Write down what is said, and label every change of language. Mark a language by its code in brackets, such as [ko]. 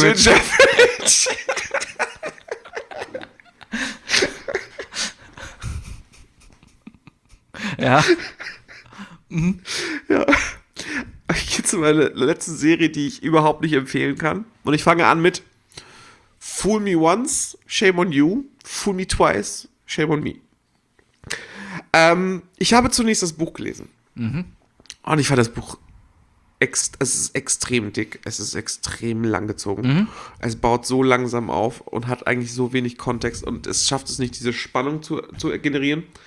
[de] Bridge. Ginger Bridge. Ja. Mhm. Ja. Ich gehe zu meiner letzten Serie, die ich überhaupt nicht empfehlen kann. Und ich fange an mit [en] Fool me once, shame on you. Fool me twice, shame on me. [de] Ich habe zunächst das Buch gelesen. Mhm. Und ich fand das Buch, es ist extrem dick, es ist extrem langgezogen. Mhm. Es baut so langsam auf und hat eigentlich so wenig Kontext und es schafft es nicht, diese Spannung zu generieren.